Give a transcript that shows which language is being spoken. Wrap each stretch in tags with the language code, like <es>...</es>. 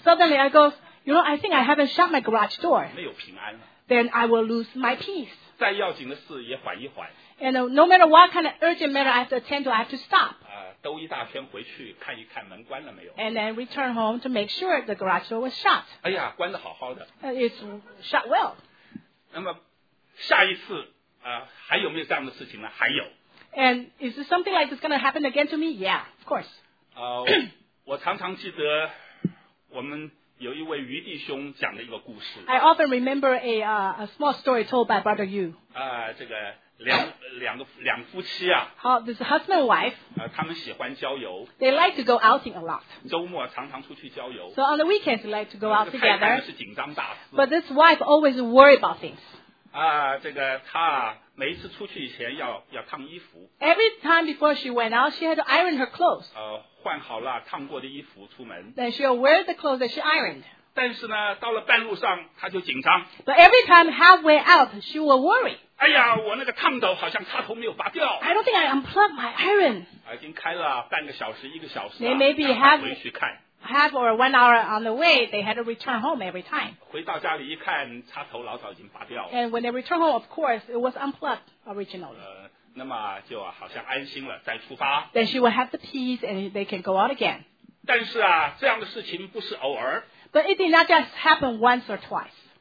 <en>Suddenly I go, you know, I think I haven't shut my garage door.</en> <zh>没有平安。</zh> <en>Then I will lose my peace.</en> <zh>再要紧的事也缓一缓。</zh> <en>And no matter what kind of urgent matter I have to attend to, I have to stop.</en> <zh>兜一大圈回去看一看门关了没有。</zh> <en>And then return home to make sure the garage door was shut.</en> <zh>哎呀，关得好好的。</zh> <en>It's shut well.</en> <zh>那么下一次还有没有这样的事情呢？还有。</zh> <en>And is this something like this going to happen again to me? Yeah, of course.</en> <zh>我常常记得我们有一位余弟兄讲的一个故事。</zh> <en>I often remember a small story told by Brother Yu.</en> <zh>这个。两夫妻啊。</zh> <en>好 ，this husband and wife.</en> <zh>他们喜欢郊游。</zh> <en>They like to go outing a lot.</en> <zh>周末常常出去郊游。</zh> <en>So on the weekends, they like to go out together.</en> <zh>太太是紧张大事。</zh> <en>But this wife always worry about things.</en> <zh>这个她每一次出去以前要烫衣服。</zh> <en>Every time before she went out, she had to iron her clothes.</en> <zh>换好了烫过的衣服出门。</zh> <en>Then she'll wear the clothes that she ironed.</en> <zh>但是呢，到了半路上，她就紧张。</zh> <en>But every time halfway out, she will worry.</en> <zh>哎呀，我那个烫斗好像插头没有拔掉。</zh> <en>I don't think I unplug my iron.</en> <zh>已经开了半个小时，一个小时了。</zh> <en>They maybe have half or one hour on the way. They had to return home every time.</en> <zh>回到家里一看，插头老早已经拔掉了。</zh> <en>And when they return home, of course, it was unplugged originally.</en> <zh>那么就好像安心了，再出发。</zh> <en>Then she will have the peace, and they can go out again.</en> <zh>但是啊，这样的事情不是偶尔。</zh> <en>But it did not just happen once or twice.</en>